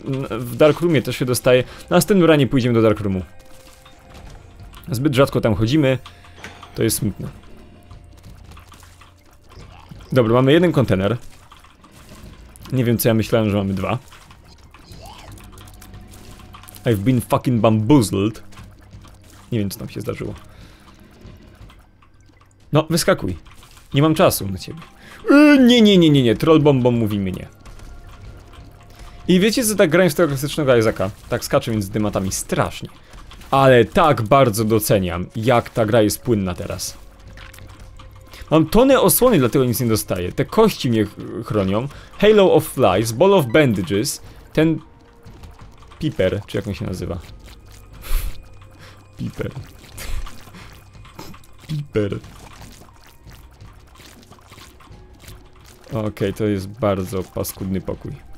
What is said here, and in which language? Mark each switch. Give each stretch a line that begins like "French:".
Polish: W Dark Roomie też się dostaje... Na następnym ranie pójdziemy do Dark Roomu. Zbyt rzadko tam chodzimy. To jest smutne. Dobra, mamy jeden kontener. Nie wiem, co ja myślałem, że mamy dwa.
English: I've been fucking bamboozled.
Polish: Nie wiem, co tam się zdarzyło. No, wyskakuj. Nie mam czasu na ciebie. Nie. Troll bombą mówi mi nie. I wiecie, co tak grając z tego klasycznego Isaaca? Tak skaczę między dymatami strasznie. Ale tak bardzo doceniam, jak ta gra jest płynna teraz. Mam tonę osłony, dlatego nic nie dostaję. Te kości mnie chronią. Halo of Flies, Ball of Bandages. Ten... Piper, czy jak on się nazywa? Piper. Piper. Okej, to jest bardzo paskudny pokój.